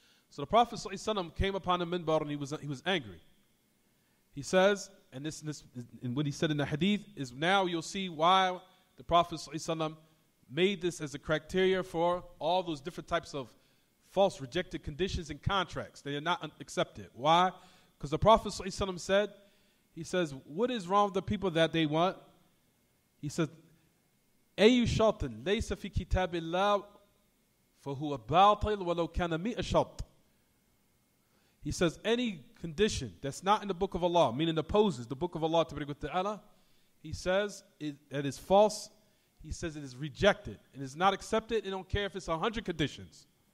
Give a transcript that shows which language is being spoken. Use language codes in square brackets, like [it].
[en] So the Prophet ﷺ came upon the minbar and he was angry. He says, and this, and what he said in the hadith is, now you'll see why the Prophet ﷺ made this as a criteria for all those different types of false rejected conditions and contracts. They are not accepted. Why? Because the Prophet ﷺ said, he says, what is wrong with the people that they want? [ar] He said, أَيُّ شَطٍ لَيْسَ فِي كِتَابِ اللَّهِ فَهُوَ بَاطِلٌ وَلَوْ كَانَ مِئَ شَطٍ. [en] He says, any condition that's not in the book of Allah, meaning opposes the book of Allah, tabarakat ta'ala, he says, it is false. He says it is rejected. It is not accepted. They don't care if it's 100 conditions.